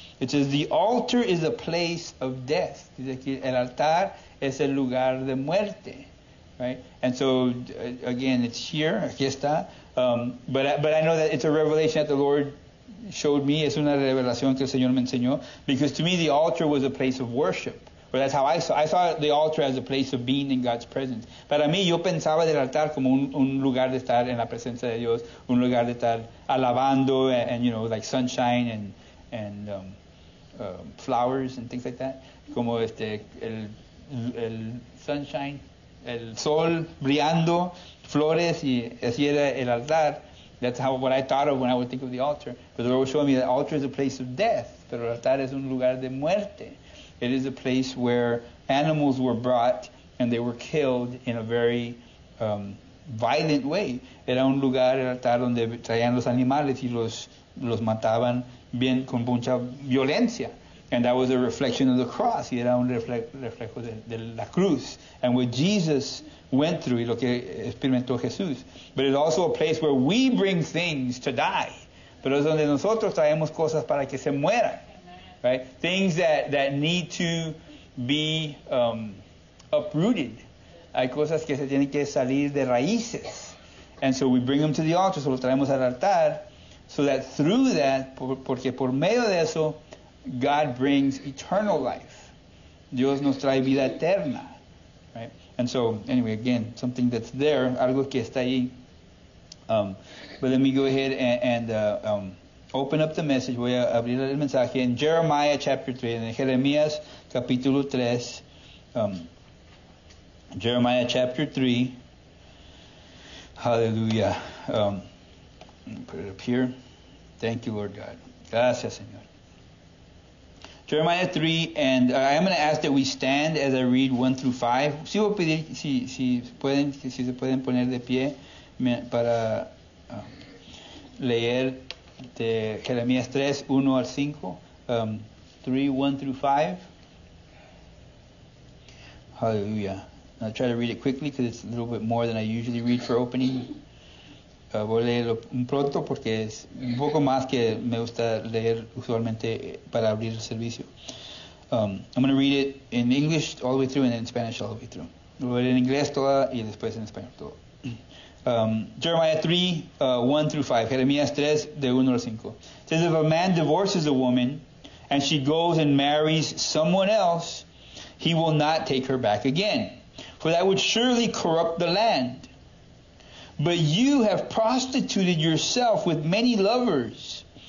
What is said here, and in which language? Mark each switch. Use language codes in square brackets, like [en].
[en] It says, the altar is a place of death. [es] Dice aquí, el altar es el lugar de muerte. [en] Right? And so, again, it's here. [es] Aquí está. [en] But I know that it's a revelation that the Lord showed me. [es] Es una revelación que el Señor me enseñó. [en] Because to me, the altar was a place of worship. Or that's how I saw the altar as a place of being in God's presence. [es] Para mí, yo pensaba del altar como un lugar de estar en la presencia de Dios. Un lugar de estar alabando [en] and you know, like sunshine and flowers and things like that, [es] como el sunshine, el sol brillando, flores, y así era el altar. [en] That's how what I thought of when I would think of the altar. But the Lord was showing me that the altar is a place of death, [es] pero el altar es un lugar de muerte. [en] It is a place where animals were brought And they were killed in a very violent way. [es] Era un lugar, era tal donde traían los animales y los mataban bien con mucha violencia. [en] And that was a reflection of the cross. [es] Y era un reflejo de la cruz. [en] And what Jesus went through [es] y lo que experimentó Jesús. [en] But it's also a place where we bring things to die. [es] Pero es donde nosotros traemos cosas para que se mueran. Right? [en] Things that need to be uprooted. [es] Hay cosas que se tienen que salir de raíces. [en] And so we bring them to the altar. [es] So lo traemos al altar. [en] So that through that, [es] porque por medio de eso, [en] God brings eternal life. [es] Dios nos trae vida eterna. [en] Right? And so, anyway, again, something that's there, [es] algo que está ahí. [en] But let me go ahead and open up the message. [es] Voy a abrir el mensaje en Jeremiah chapter 3, en Jeremías capítulo 3. [en] Jeremiah chapter 3. Hallelujah. Put it up here. Thank you, Lord God. [es] Gracias, Señor. [en] Jeremiah 3, and I'm going to ask that we stand as I read 1 through 5. [es] Si voy a pedir, si se pueden poner de pie para leer de Jeremías 3, 1 al 5. [en] 3, 1 through 5. Hallelujah. I'll try to read it quickly because it's a little bit more than I usually read for opening. [es] Voy a leerlo pronto porque es un poco más que me gusta leer usualmente para abrir el servicio. [en] I'm going to read it in English all the way through and in Spanish all the way through. [es] Lo leeré en inglés toda y después en español todo. [en] Jeremiah 3, 1 through 5. [es] Jeremías 3, de 1 al 5. [en] It says, if a man divorces a woman and she goes and marries someone else, he will not take her back again. For that would surely corrupt the land. But you have prostituted yourself with many lovers.